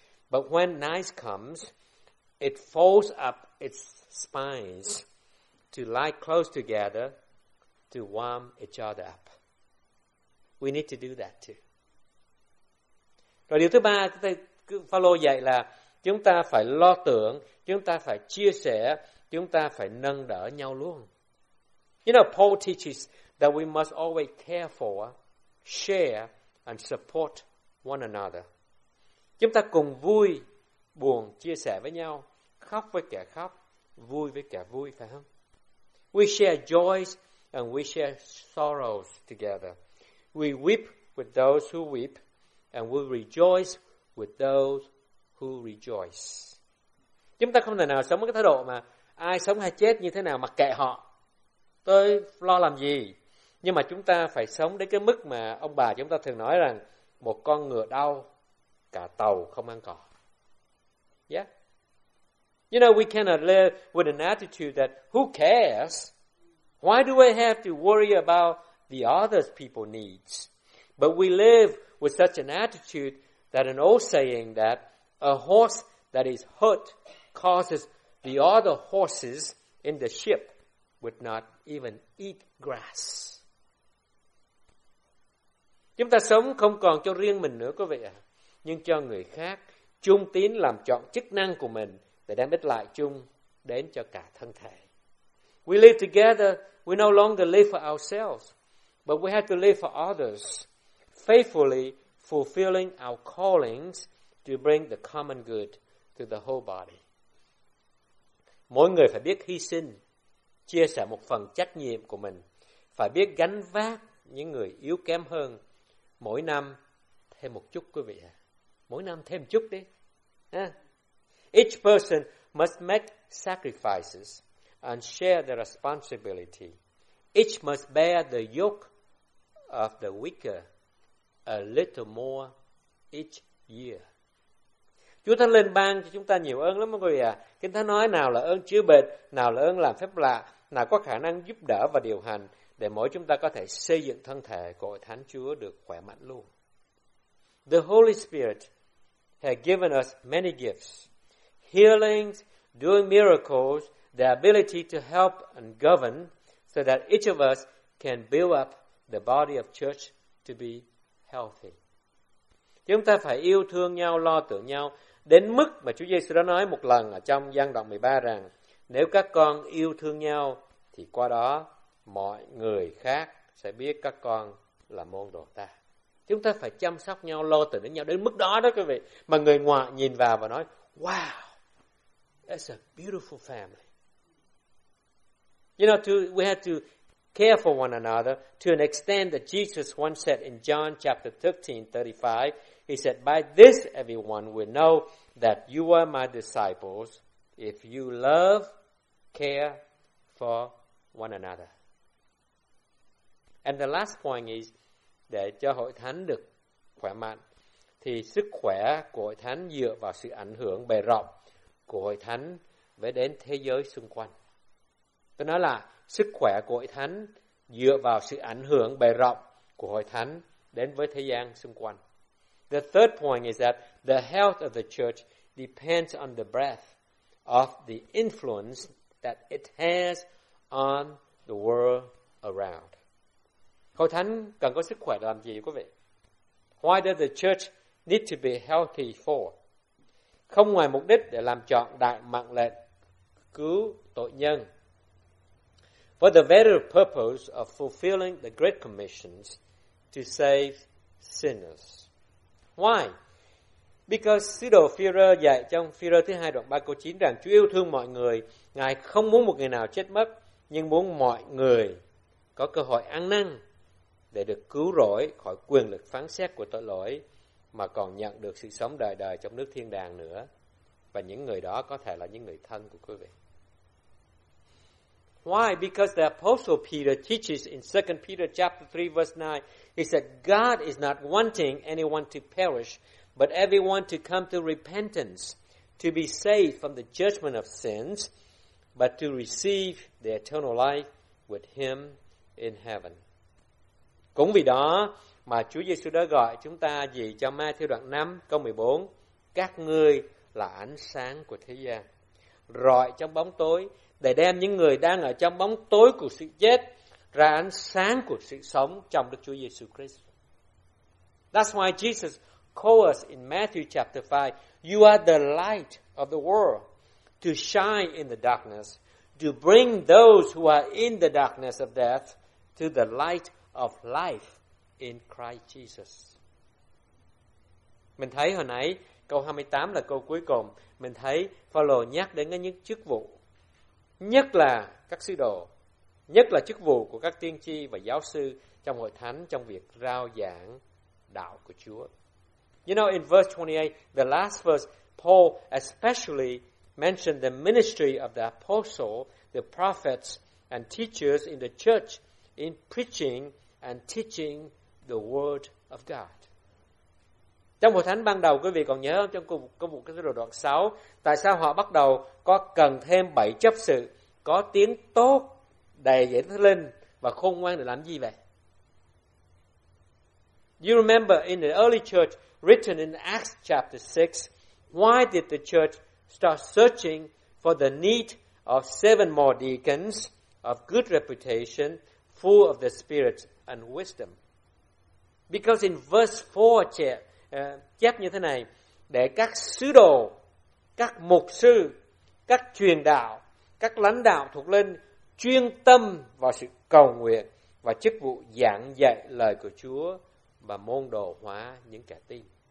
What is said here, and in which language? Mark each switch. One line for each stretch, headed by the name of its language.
English: But when night comes, it folds up its spines to lie close together to warm each other up. We need to do that too.
Vietnamese: Rồi điều thứ ba, Phaolô dạy là chúng ta phải lo tưởng, chúng ta phải chia sẻ, chúng ta phải nâng đỡ nhau luôn.
English: You know, Paul teaches that we must always care for, share, and support one another.
Vietnamese: Chúng ta cùng vui, buồn, chia sẻ với nhau, khóc với kẻ khóc, vui với kẻ vui, phải không?
English: We share joys and we share sorrows together. We weep with those who weep and we rejoice with those who rejoice.
Vietnamese: Chúng ta không thể nào sống với cái thái độ mà ai sống hay chết như thế nào mặc kệ họ, tôi lo làm gì. Nhưng mà chúng ta phải sống đến cái mức mà ông bà chúng ta thường nói rằng một con ngựa đau, cả tàu không ăn cỏ.
English: Yeah. You know, we cannot live with an attitude that who cares? Why do I have to worry about the other people's needs? But we live with such an attitude that an old saying that a horse that is hurt causes the other horses in the ship would not even eat grass.
Vietnamese: Chúng ta sống không còn cho riêng mình nữa, quý vị ạ, nhưng cho người khác, trung tín làm trọn chức năng của mình để đem ích lại chung đến cho cả thân thể.
English: We live together, we no longer live for ourselves, but we have to live for others, faithfully fulfilling our callings to bring the common good to the whole body.
Vietnamese: Mỗi người phải biết hy sinh, chia sẻ một phần trách nhiệm của mình, phải biết gánh vác những người yếu kém hơn mỗi năm thêm một chút, quý vị ạ. Mỗi năm thêm chút đi.
English: Each person must make sacrifices and share the responsibility. Each must bear the yoke of the weaker a little more each year.
Vietnamese: Chúa Thánh Linh ban cho chúng ta nhiều ơn lắm, quý vị ạ. Kinh Thánh nói nào là ơn chữa bệnh, nào là ơn làm phép lạ, nào có khả năng giúp đỡ và điều hành để mỗi chúng ta có thể xây dựng thân thể của Hội Thánh Chúa được khỏe mạnh luôn.
English: The Holy Spirit has given us many gifts, healings, doing miracles, the ability to help and govern so that each of us can build up the body of church to be healthy.
Vietnamese: Chúng ta phải yêu thương nhau, lo tưởng nhau đến mức mà Chúa Giêsu đã nói một lần ở trong Giăng đoạn 13 rằng nếu các con yêu thương nhau thì qua đó mọi người khác sẽ biết các con là môn đồ ta. Chúng ta phải chăm sóc nhau, lo tưởng đến nhau đến mức đó đó quý vị. Mà người ngoại nhìn vào và nói,
English: wow, that's a beautiful family. You know, we have to care for one another to an extent that Jesus once said in John chapter 13:35, he said, by this everyone will know that you are my disciples if you love, care for one another. And the last point is,
Vietnamese: để cho hội thánh được khỏe mạnh, thì sức khỏe của hội thánh dựa vào sự ảnh hưởng bề rộng của hội thánh với đến thế giới xung quanh. Tôi nói là sức khỏe của hội thánh dựa vào sự ảnh hưởng bề rộng của hội thánh đến với thế gian xung quanh.
English: The third point is that the health of the church depends on the breadth of the influence that it has on the world around.
Vietnamese: Hội thánh cần có sức khỏe làm gì quý vị?
English: Why does the church need to be healthy for?
Vietnamese: Không ngoài mục đích để làm trọn đại mạng lệnh cứu tội nhân.
English: For the very purpose of fulfilling the great commissions to save sinners. Why? Because
Vietnamese: sứ đồ Phi-rơ dạy trong Phi-rơ thứ 2 đoạn 3 câu 9 rằng Chúa yêu thương mọi người, Ngài không muốn một người nào chết mất, nhưng muốn mọi người có cơ hội ăn năn để được cứu rỗi khỏi quyền lực phán xét của tội lỗi mà còn nhận được sự sống đời đời trong nước thiên đàng nữa. Và những người đó có thể là những người thân của quý vị.
English: Why? Because the Apostle Peter teaches in 2 Peter chapter 3 verse 9, he said, God is not wanting anyone to perish, but everyone to come to repentance, to be saved from the judgment of sins, but to receive the eternal life with him in heaven.
Vietnamese: Cũng vì đó mà Chúa Giêsu đã gọi chúng ta gì cho Ma-thi-ơ đoạn 5 câu 14, các ngươi là ánh sáng của thế gian, rọi trong bóng tối để đem những người đang ở trong bóng tối của sự chết ra ánh sáng của sự sống trong Đức Chúa Giêsu Christ.
English: That's why Jesus called us in Matthew chapter 5, you are the light of the world, to shine in the darkness, to bring those who are in the darkness of death to the light of life in Christ Jesus.
Vietnamese: Mình thấy hồi nãy câu 28 là câu cuối cùng, mình thấy Phaolô nhắc đến những chức vụ, nhất là các sứ đồ, nhất là chức vụ của các tiên tri và giáo sư trong hội thánh trong việc rao giảng đạo của Chúa.
English: You know, in verse 28, the last verse, Paul especially mentioned the ministry of the apostle, the prophets and teachers in the church in preaching and teaching the word of God.
Vietnamese: Trong hội thánh ban đầu, quý vị còn nhớ không? Trong công vụ Kinh Thánh đoạn 6, tại sao họ bắt đầu có cần thêm 7 chấp sự có tiếng tốt, đầy dẫy thánh linh và khôn ngoan để làm gì vậy?
English: You remember in the early church written in Acts chapter 6, why did the church start searching for the need of 7 more deacons of good reputation, full of the spirit and wisdom? Because in verse 4
Vietnamese: chép như thế này, để các sứ đồ, các mục sư, các truyền đạo, các lãnh đạo thuộc linh chuyên tâm vào sự cầu nguyện và chức vụ giảng dạy lời của Chúa và môn đồ hóa những kẻ tin.